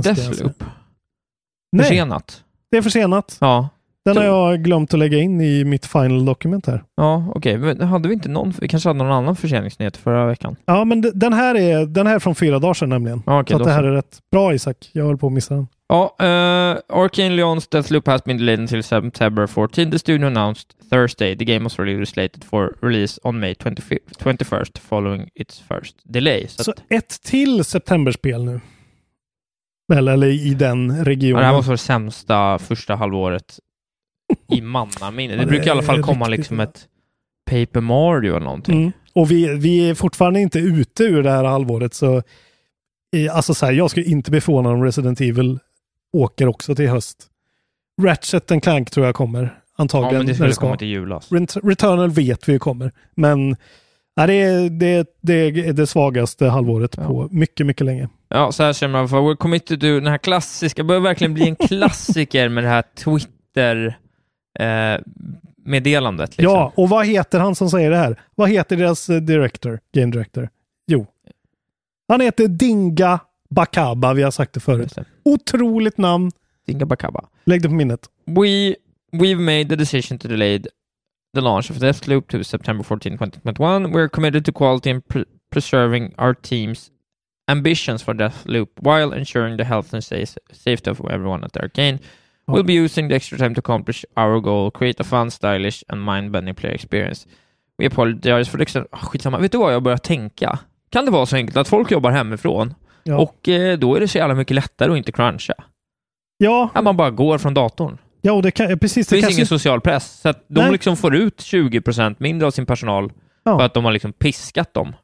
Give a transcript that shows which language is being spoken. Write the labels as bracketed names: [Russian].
[Swedish] Deathloop. Nej. Försenat. Det är försenat. Ja. Den har jag glömt att lägga in i mitt final dokument här. Ja, okej. Okay. Hade vi inte någon? Vi kanske hade någon annan förseningsnyhet förra veckan. Ja, men den här är från 4 dagar sedan nämligen. Okay, så att det här är rätt bra, Isak. Jag håller på att missa den. [English] Ja, Arcane Leon's Deathloop has been delayed until September 14. The studio announced Thursday. The game was really slated for release on May 21st following its first delay. [Swedish] Så ett till septemberspel nu. Eller i den regionen. Ja, det här måste vara sämsta första halvåret i manna minne. Det brukar i alla fall komma riktigt, liksom ett Paper Mario eller någonting. Mm. Och vi är fortfarande inte ute ur det här halvåret, så alltså så här, jag skulle inte bli förvånad om Resident Evil åker också till höst. Ratchet & Clank tror jag kommer antagligen. Ja, men det skulle komma till jul alltså. Returnal vet vi kommer, men nej, det är det svagaste halvåret på mycket, mycket länge. Ja, så här känner man, [English] we're committed to [Swedish] den här klassiska, det börjar verkligen bli en klassiker med det här Twitter- meddelandet. Liksom. Ja, och vad heter han som säger det här? Vad heter deras director, game director? Jo. Han heter Dinga Bacaba, vi har sagt det förut. Otroligt namn. Dinga Bacaba. Lägg det på minnet. [English] We've made the decision to delay the launch of Deathloop to September 14, 2021. We're committed to quality and preserving our team's ambitions for Deathloop while ensuring the health and safety of everyone at Arkane. We'll be using the extra time to accomplish our goal, create a fun, stylish and mind-bending player experience. We apologize for the extent... [Swedish] Oh, skitsamma, vet du vad jag börjar tänka? Kan det vara så enkelt att folk jobbar hemifrån? Ja. Och då är det så jävla mycket lättare att inte cruncha. Ja. Att man bara går från datorn. Ja, och det kan, precis. Det finns kanske ingen social press. Så att de liksom får ut 20% mindre av sin personal för att de har liksom piskat dem.